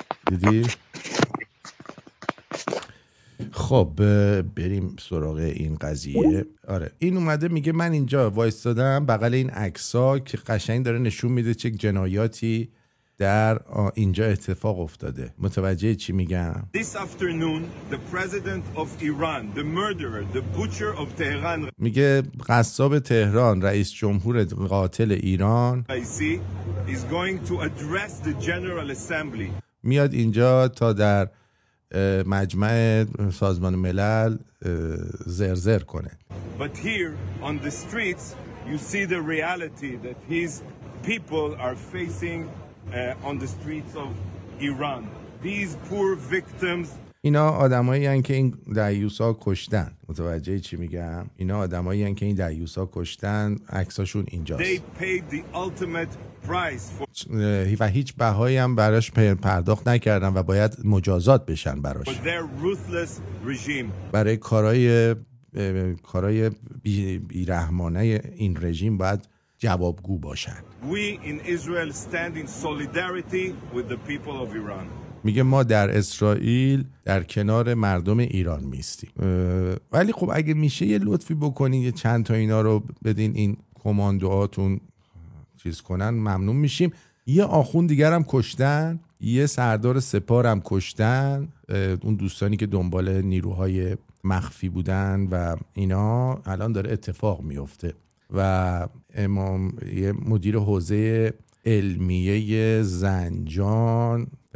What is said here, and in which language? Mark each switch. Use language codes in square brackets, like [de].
[fa] دیدی؟ خب بریم سراغ این قضیه. آره این اومده میگه من اینجا وایستادم بغل این عکسا که قشنگ داره نشون میده چه جنایاتی در اینجا اتفاق افتاده. متوجه چی میگم؟ [en] This afternoon the president of Iran, the murderer, the butcher of Tehran. [fa] میگه قصاب تهران، رئیس جمهور قاتل ایران. [en] Raisi is going to address the general assembly. [fa] میاد اینجا تا در مجمع سازمان ملل زرزر کنه. [en] But here on the streets you see the reality that his people are facing on the streets of Iran. These poor victims. [fa] اینا آدمایی ان که این دایوسا کشتن. متوجه چی میگم؟ اینا آدمایی ان که این دایوسا کشتن، عکساشون اینجاست. [en] They paid the ultimate price for. [fa] و هیچ بهایی هم براش پرداخت نکردن و باید مجازات بشن براش. [en] But their ruthless regime. [fa] برای کارهای بیرحمانه این رژیم باید جوابگو باشند. [en] We in Israel stand in solidarity with the people of Iran. [fa] میگه ما در اسرائیل در کنار مردم ایران میستیم. ولی خب اگه میشه یه لطفی بکنین یه چند تا اینا رو بدین این کماندوهاتون چیز کنن ممنون میشیم. یه آخون دیگر هم کشتن، یه سردار سپار هم کشتن، اون دوستانی که دنبال نیروهای مخفی بودن و اینا الان داره اتفاق میفته و امام یه مدیر حوزه علمیه زنجان